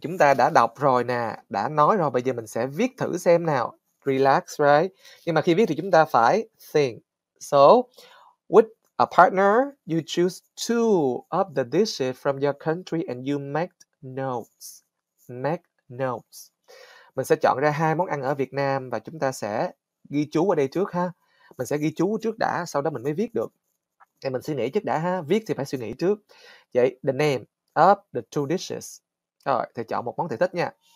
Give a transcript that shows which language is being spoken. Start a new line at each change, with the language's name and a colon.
Vietnamese: Chúng ta đã đọc rồi nè, đã nói rồi, bây giờ mình sẽ viết thử xem nào.
English: Relax, right?
Vietnamese: Nhưng mà khi viết thì chúng ta phải think.
English: So, with a partner, you choose two of the dishes from your country and you make notes. Make notes.
Vietnamese: Mình sẽ chọn ra hai món ăn ở Việt Nam và chúng ta sẽ ghi chú ở đây trước ha. Mình sẽ ghi chú trước đã, sau đó mình mới viết được. Thì mình suy nghĩ trước đã ha. Viết thì phải suy nghĩ trước. Vậy,
English: the name of the two dishes.
Vietnamese: Rồi, thầy chọn một món thầy thích nha.